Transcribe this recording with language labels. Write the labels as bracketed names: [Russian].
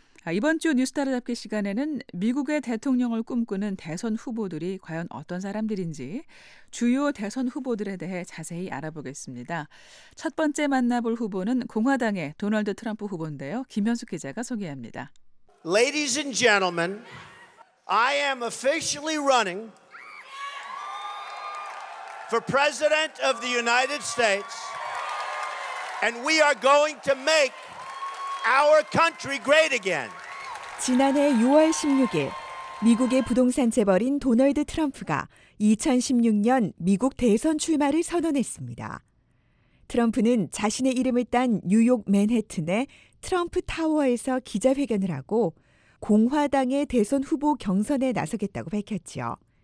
[Korean] 이번 주 뉴스 따라잡기 시간에는 미국의 대통령을 꿈꾸는 대선 후보들이 과연 어떤 사람들인지 주요 대선 후보들에 대해 자세히 알아보겠습니다. 첫 번째 만나볼 후보는 공화당의 도널드 트럼프 후보인데요. 김현숙 기자가 소개합니다. [English] Ladies and gentlemen, I am officially running for president of the United States and we are going to make our country great again. [Korean] 지난해 6월 16일 미국의 부동산 재벌인 도널드 트럼프가 2016년 미국 대선 출마를 선언했습니다. 트럼프는 자신의 이름을 딴 뉴욕 맨해튼의 트럼프 타워에서 기자회견을 하고 공화당의 대선 후보 경선에 나서겠다고 밝혔지요.